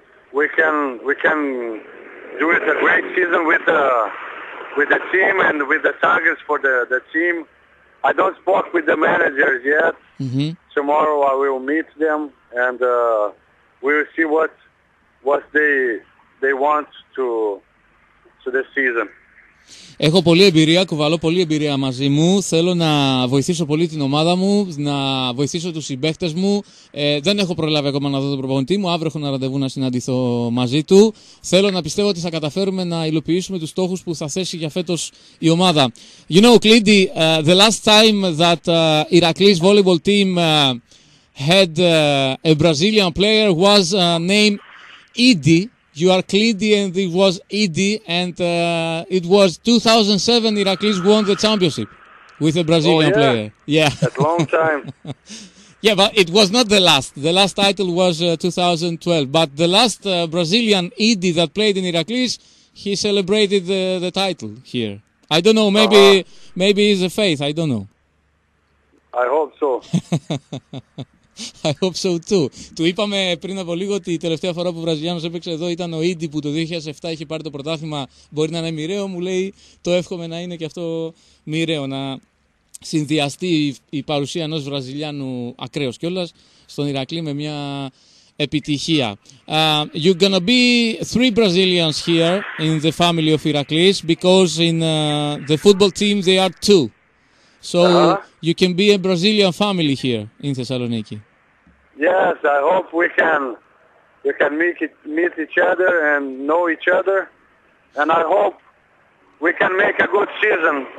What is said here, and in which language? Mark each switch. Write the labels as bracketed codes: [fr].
[en] We can do it a great season with the team and with the targets for the team. I don't speak with the managers yet. Mm-hmm. Tomorrow I will meet them and we will see what they want to this season. [el] Έχω πολλή εμπειρία, κουβαλώ πολλή εμπειρία μαζί μου. Θέλω να βοηθήσω πολύ την ομάδα μου, να βοηθήσω τους συμπαίκτες μου. Δεν έχω προλάβει ακόμα να δω τον προπονητή μου. Αύριο έχω ένα ραντεβού να συναντηθώ μαζί του. Θέλω να πιστεύω ότι θα καταφέρουμε να υλοποιήσουμε τους στόχους που θα θέσει για φέτος η ομάδα. [en] You know, Klidi, the last time that Heracles volleyball team had a Brazilian player was named Idi. You are Klidi and it was Idi, and it was 2007 Heracles won the championship with a Brazilian player. Yeah. That long time. Yeah, but it was not the last. The last title was 2012. But the last Brazilian Idi that played in Heracles, he celebrated the title here. I don't know, maybe maybe it's a faith, I don't know. I hope so. I hope so too. [el] Του είπαμε πριν από λίγο ότι η τελευταία φορά που ο Βραζιλιάνος έπαιξε εδώ ήταν ο Ίντι που το 2007 είχε πάρει το πρωτάθλημα. Μπορεί να είναι μοιραίο, μου λέει. Το εύχομαι να είναι και αυτό μοιραίο. Να συνδυαστεί η παρουσία ενός Βραζιλιάνου ακραίος κιόλας στον Ηρακλή με μια επιτυχία. [en] You're gonna be 3 Brazilians here in the family of Heracles because in the football team they are 2. So you can be a Brazilian family here in Thessaloniki. Yes, I hope we can meet each other and know each other, and I hope we can make a good season.